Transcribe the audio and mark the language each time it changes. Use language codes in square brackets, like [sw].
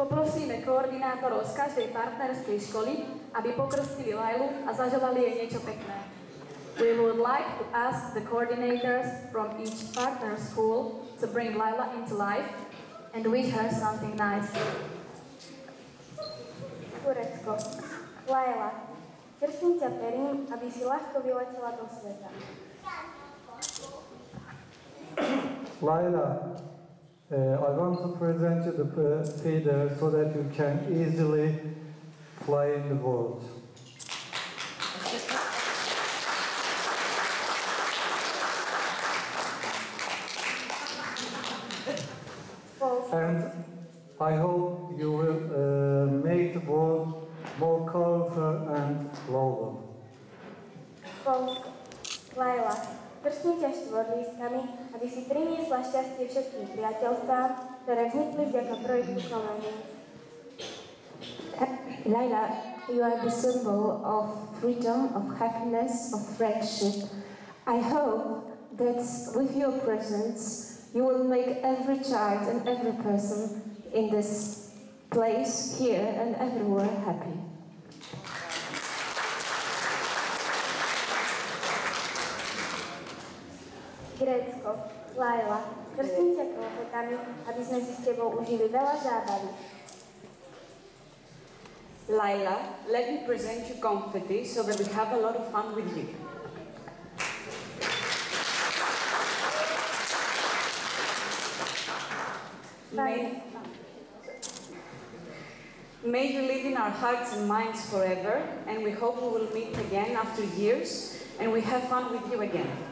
[sk] Koordinátorov z každej partnerskej školy, aby pokrstili Lailu a zaželali jej niečo pekné. [en] We would like to ask the coordinators from each partner school to bring Laila into life and wish her something nice. [sk] Turecko, Laila, krstím ťa perím, aby si ľahko vyletela do sveta. [en] Laila, I want to present you the feeder so that you can easily fly in the world. And I hope you will make the world more colorful and lovely. [sk] Polsko, Laila, krstím ťa štvorlískami, aby si priniesla šťastie všetkým priateľstvám, ktoré vznikli vďaka projektu Komenius. [en] Laila, you are the symbol of freedom, of happiness, of friendship. I hope that with your presence, you will make every child and every person in this place, here and everywhere happy. [sk] Grécko, Laila, krstím ťa profetami, aby sme si s tebou užili veľa zábavy. [en] Laila, let me present you confetti so that we have a lot of fun with you. May you live in our hearts and minds forever, and we hope we will meet again after years, and we have fun with you again.